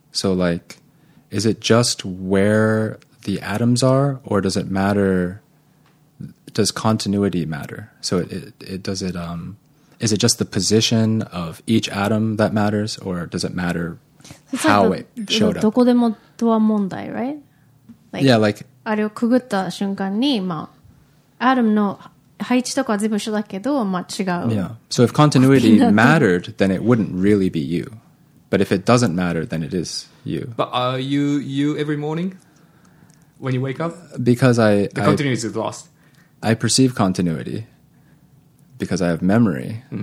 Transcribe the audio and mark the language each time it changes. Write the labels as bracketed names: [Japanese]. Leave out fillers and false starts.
[English] So like, is it just where the atoms are, or does it matter? Does continuity matter? So is it just the position of each atom that matters, or does it matter how it showed up? [Japanese] どこでもドア問題, right? [English] Like, yeah, like, [Japanese] あれをくぐった瞬間に、まあ、アトムの配置とかは全部一緒だけど、まあ、違う。 [English] Yeah. So if continuity mattered, then it wouldn't really be you. But if it doesn't matter, then it is you. But are you you every morning when you wake up? Because the continuity is lost. I perceive continuity because I have memory. Mm-hmm.